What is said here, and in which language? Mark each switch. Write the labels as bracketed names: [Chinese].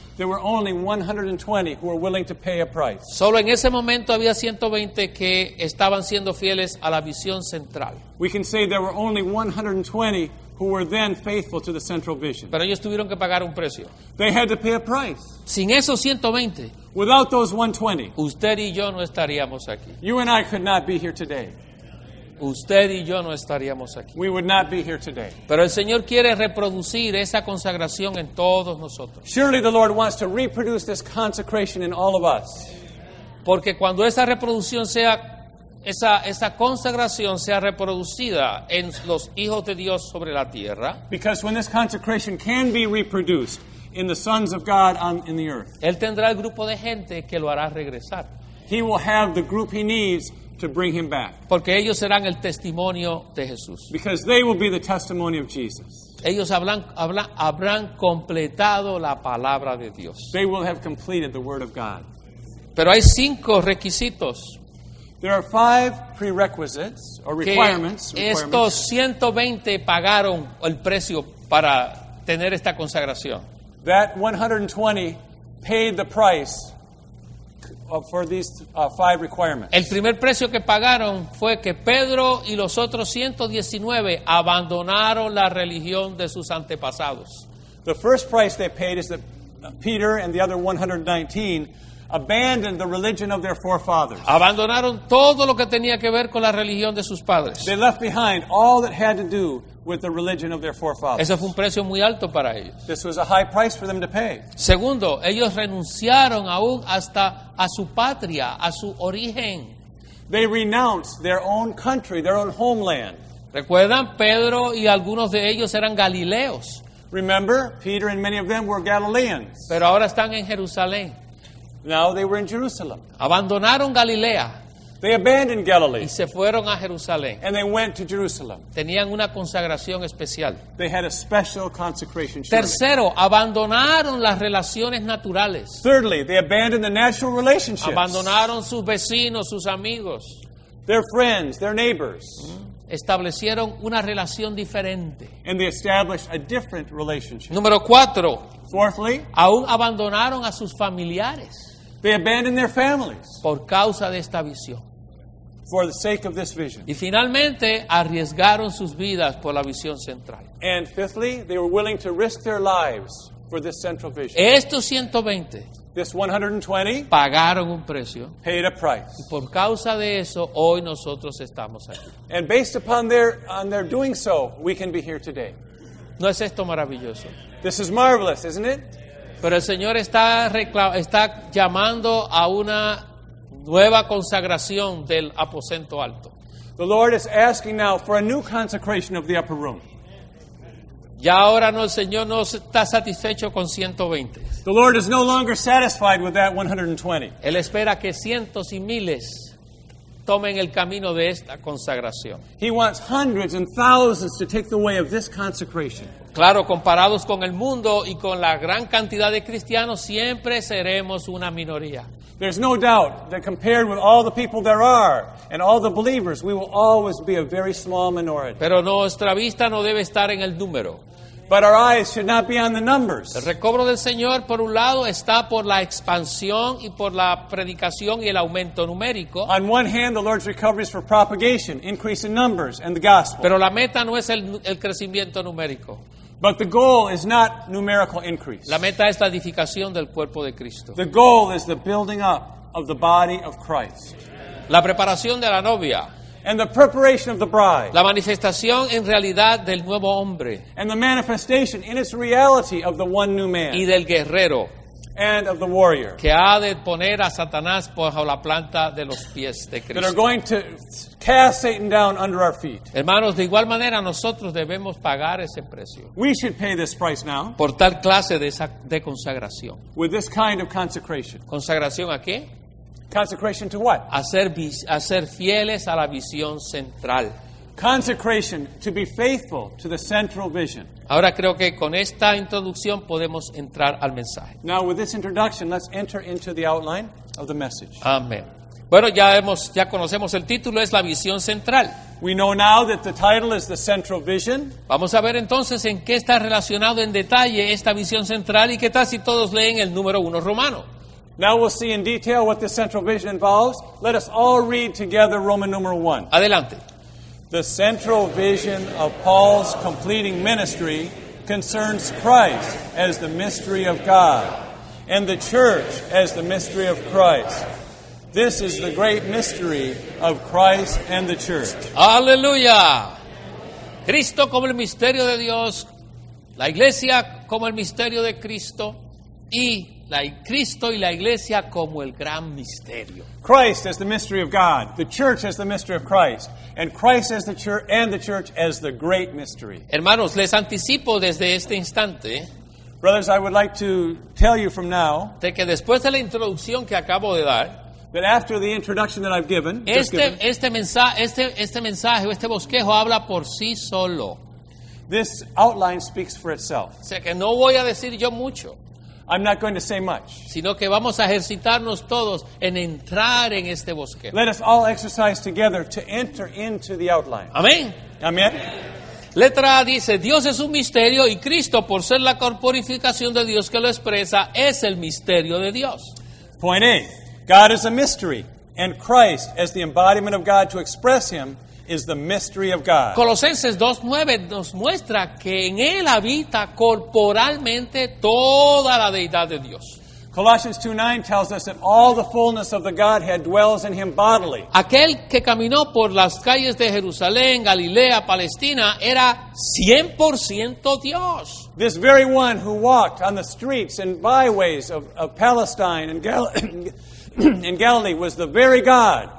[English] There were only 120 who were willing to pay a price. [Spanish] Solo en ese momento había 120 que estaban siendo fieles a la visión central. [English] We can say there were only 120 who were then faithful to the central vision. [Spanish] Pero ellos tuvieron que pagar un precio. [English] They had to pay a price. [Spanish] Sin esos 120, [English] without those 120, [Spanish] usted y yo no estaríamos aquí. [English] You and I could not be here today. [Spanish] Usted y yo no estaríamos aquí. [English] We would not be here today. [Spanish] Pero el Señor quiere reproducir esa consagración en todos nosotros. [English] Surely the Lord wants to reproduce this consecration in all of us. [Spanish] Porque cuando esa reproducción sea, esa consagración sea reproducida en los hijos de Dios sobre la tierra. [English] Because when this consecration can be reproduced in the sons of God in the earth. [Spanish] Él tendrá el grupo de gente que lo hará regresar. [English] He will have the group he needs to bring him back. [Spanish] Porque ellos serán el testimonio de Jesús. [English] Because they will be the testimony of Jesus. [Spanish] Ellos habrán completado la palabra de Dios. [English] They will have completed the word of God. [Spanish] Pero hay cinco requisitos. [English] There are five prerequisites or requirements. [Spanish] Estos 120 pagaron el precio para tener esta consagración. [English] That 120 paid the price for these five requirements. [Spanish] El primer precio que pagaron fue que Pedro y los otros 119 abandonaron la religión de sus antepasados. [English] The first price they paid is that Peter and the other 119 abandoned the religion of their forefathers. [Spanish] Abandonaron todo lo que tenía que ver con la religión de sus padres. [English] They left behind all that had to do with the religion of their forefathers. [Spanish] Ese fue un precio muy alto para ellos. [English] This was a high price for them to pay. [Spanish] Segundo, ellos renunciaron aún hasta a su patria, a su origen. [English] They renounced their own country, their own homeland. [Spanish] ¿Recuerdan? Pedro y algunos de ellos eran galileos. [English] Remember, Peter and many of them were Galileans. [Spanish] Pero ahora están en Jerusalén. [English] Now they were in Jerusalem. [Spanish] Abandonaron Galilea. [English] They abandoned Galilee. [Spanish] Y se fueron a Jerusalén. [English] And they went to Jerusalem. [Spanish] Tenían una consagración especial. [English] They had a special consecration. [Spanish] Tercero, abandonaron las relaciones naturales. [English] Thirdly, they abandoned the natural relationships. [Spanish] Abandonaron sus vecinos, sus amigos. [English] Their friends, their neighbors. [Spanish] Establecieron una relación diferente. [English] And they established a different relationship. [Spanish] Número cuatro. [English] Fourthly, [Spanish] aún abandonaron a sus familiares. [English] They abandoned their families. [Spanish] Por causa de esta visión. [English] For the sake of this vision. [Spanish] Y finalmente, arriesgaron sus vidas por la visión central. [English] And fifthly, they were willing to risk their lives for this central vision. [Spanish] Estos 120, [English] this 120 [Spanish] pagaron un precio. [English] Paid a price. [Spanish] Y por causa de eso, hoy nosotros estamos aquí. [English] And based upon their doing so, we can be here today. [Spanish] ¿No es esto maravilloso? [English] This is marvelous, isn't it? [Spanish] Pero el Señor está llamando a una nueva consagración del aposento alto. [English] The Lord is asking now for a new consecration of the upper room. [Spanish] Ya ahora no, el Señor no está satisfecho con 120. [English] The Lord is no longer satisfied with that 120. [Spanish] Él espera que cientos y miles tomen el camino de esta consagración. [English] He wants hundreds and thousands to take the way of this consecration. [Spanish] Claro, comparados con el mundo y con la gran cantidad de cristianos, siempre seremos una minoría. [English] There's no doubt that compared with all the people there are and all the believers, we will always be a very small minority. [Spanish] Pero nuestra vista no debe estar en el número. [English] But our eyes should not be on the numbers. [Spanish] El recobro del Señor, por un lado, está por la expansión y por la predicación y el aumento numérico. [English] On one hand, the Lord's recovery is for propagation, increase in numbers, and the gospel. [Spanish] Pero la meta no es el crecimiento numérico. [English] But the goal is not numerical increase. [Spanish] La meta es la edificación del cuerpo de Cristo. [English] The goal is the building up of the body of Christ. [Spanish] La preparación de la novia. [English] And the preparation of the bride. [Spanish] La manifestación en realidad del nuevo hombre. [English] And the manifestation in its reality of the one new man. [Spanish] Y del guerrero. [English] And of the warrior. [Spanish] Que ha de poner a Satanás bajo la planta de los pies de Cristo. [English] That are going to cast Satan down under our feet. [Spanish] Hermanos, de igual manera nosotros debemos pagar ese precio. [English] We should pay this price now. [Spanish] Por tal clase de consagración. [English] With this kind of consecration. [Spanish] ¿Consagración a qué? [English] Consecration to what? [Spanish] A ser fieles a la visión central. [English] Consecration to be faithful to the central vision. [Spanish] Ahora creo que con esta introducción podemos entrar al mensaje. [English] Now with this introduction, let's enter into the outline of the message. [Spanish] Amén. Bueno, ya conocemos el título, es la visión central. [English] We know now that the title is the central vision. [Spanish] Vamos a ver entonces en qué está relacionado en detalle esta visión central y qué tal si todos leen el número uno romano. [English] Now we'll see in detail what the central vision involves. Let us all read together Roman number one. [Spanish] Adelante. [English] The central vision of Paul's completing ministry concerns Christ as the mystery of God and the church as the mystery of Christ. This is the great mystery of Christ and the church. [Spanish] Aleluya. Cristo como el misterio de Dios, la iglesia como el misterio de Cristo y Cristo y la iglesia como el gran misterio. [English] Christ as the mystery of God, the church as the mystery of Christ, and Christ as the church and the church as the great mystery. [Spanish] Hermanos, les anticipo desde este instante. [English] Brothers, I would like to tell you from now. [Spanish] De que después de la introducción que acabo de dar, [English] that after the introduction that I've given, [Spanish] este mensaje o este bosquejo habla por sí solo. [English] This outline speaks for itself. [Spanish] O sea, que no voy a decir yo mucho. [English] I'm not going to say much. [Spanish] Sino que vamos a ejercitarnos todos en entrar en este bosquejo. [English] Let us all exercise together to enter into the outline. [Spanish] Amén. Amén. Letra A dice, Dios es un misterio y Cristo, por ser la corporificación de Dios que lo expresa, es el misterio de Dios. [English] Point A, God is a mystery and Christ as the embodiment of God to express him is the mystery of God. [Spanish] Colosenses 2:9 nos muestra que en él habita corporalmente toda la deidad de Dios. [English] Colossians 2:9 tells us that all the fullness of the Godhead dwells in him bodily. [Spanish] Aquel que caminó por las calles de Jerusalén, Galilea, Palestina era 100% Dios. [English] This very one who walked on the streets and byways of Palestine and in Galilee was the very God.